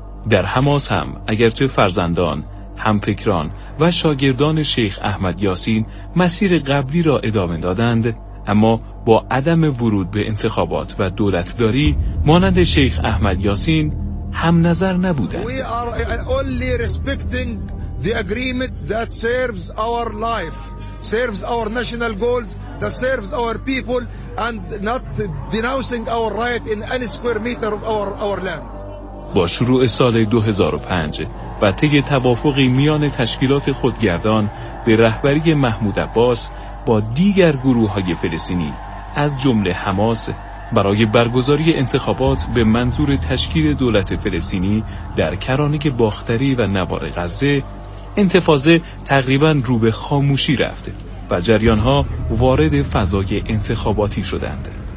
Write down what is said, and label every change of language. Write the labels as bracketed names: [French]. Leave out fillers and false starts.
[Persian] در حماس هم اگرچه فرزندان، همفکران و شاگردان شیخ احمد یاسین مسیر قبلی را ادامه دادند، اما با عدم ورود به انتخابات و دولتداری مانند شیخ احمد یاسین هم نظر نبودند. [English] We are only respecting the agreement that serves our life, serves our national goals, that serves our people and not denouncing our right in any square meter of our land. [Persian] با شروع سال 2005 و طی توافقی میان تشکیلات خودگردان به رهبری محمود عباس با دیگر گروه‌های فلسطینی از جمله حماس برای برگزاری انتخابات به منظور تشکیل دولت فلسطینی در کرانه باختری و نوار غزه، انتفاضه تقریباً رو به خاموشی رفت و جریان‌ها وارد فضای انتخاباتی شدند.